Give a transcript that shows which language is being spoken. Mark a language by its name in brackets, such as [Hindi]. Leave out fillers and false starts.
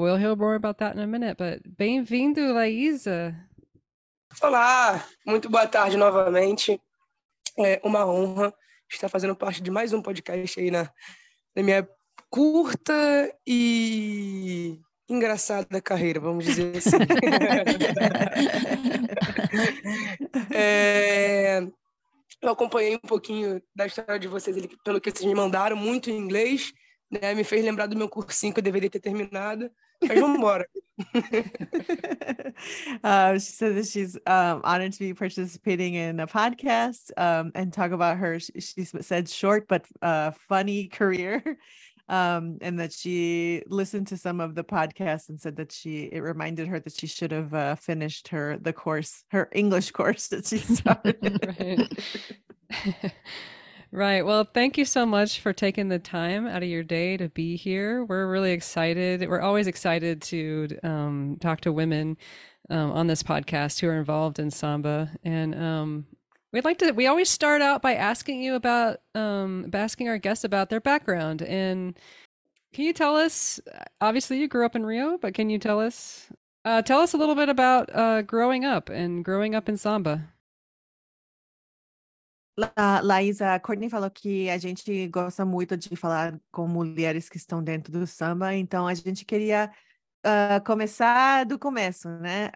[English] We'll hear more about that in a minute, but [Portuguese] bem-vindo, [English] Laísa. [Portuguese] Olá, muito boa tarde novamente. É uma honra estar fazendo parte de mais podcast aí na minha curta e engraçada carreira, vamos dizer assim. Eu acompanhei pouquinho da história de vocês, pelo que vocês me mandaram, muito em inglês, né? Me fez lembrar do meu cursinho que eu deveria ter terminado. [English] She said that she's honored to be participating in a podcast and talk about her, she said, short but funny career, and that she listened to some of the podcasts and said that it reminded her that she should have finished her English course that she started. Right. Well, thank you so much for taking the time out of your day to be here. We're really excited. We're always excited to talk to women on this podcast who are involved in samba. And we always start out by asking you about asking our guests about their background. And can you tell us, obviously you grew up in Rio, but can you tell us a little bit about growing up in samba? [Portuguese] Laísa, a Courtney falou que a gente gosta muito de falar com mulheres que estão dentro do samba, então a gente queria começar do começo, né?